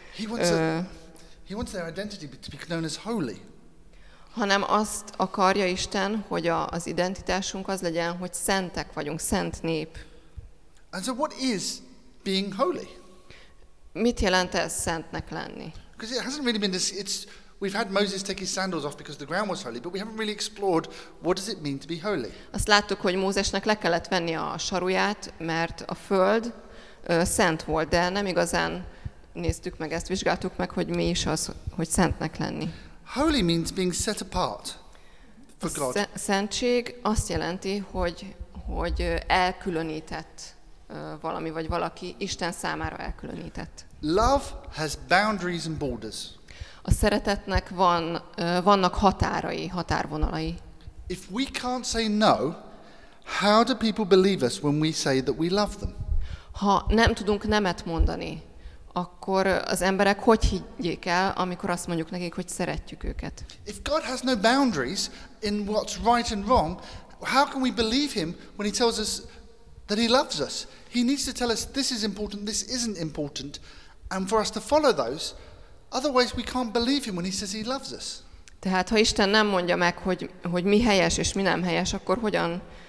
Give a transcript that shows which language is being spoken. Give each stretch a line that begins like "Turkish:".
English: He wants their identity to be known as holy.
Hungarian: Hanem azt akarja Isten, hogy az identitásunk az legyen, hogy szentek vagyunk, szent nép.
English: And so what is being holy?
Hungarian: Mit jelent ez szentnek lenni?
English: Because it hasn't really been this, we've had Moses take his sandals off because the ground was holy, but we haven't really explored what does it mean to be holy.
Hungarian: Azt láttuk, hogy Mózesnek le kellett venni a saruját, mert a föld szent volt, de nem igazán néztük meg ezt, vizsgáltuk meg, hogy mi is az, hogy szentnek lenni.
English: Holy means being set apart for God.
Hungarian: Szentség azt jelenti, hogy elkülönített valami vagy valaki, Isten számára elkülönített.
English: Love has boundaries and borders.
Hungarian: A szeretetnek vannak határai, határvonalai.
English: If we can't say no, how do people believe us when we say that we love them?
Hungarian: Ha nem tudunk nemet mondani, akkor az emberek hogy higgyék el, amikor azt mondjuk nekik, hogy szeretjük őket?
English: If God has no boundaries in what's right and wrong, how can we believe him when he tells us that he loves us? He needs to tell us this is important, this isn't important, and for us to follow those. Otherwise we can't believe him when he says he loves us.
Hungarian: Tehát ha Isten nem mondja meg, hogy mi helyes és mi nem helyes, akkor hogyan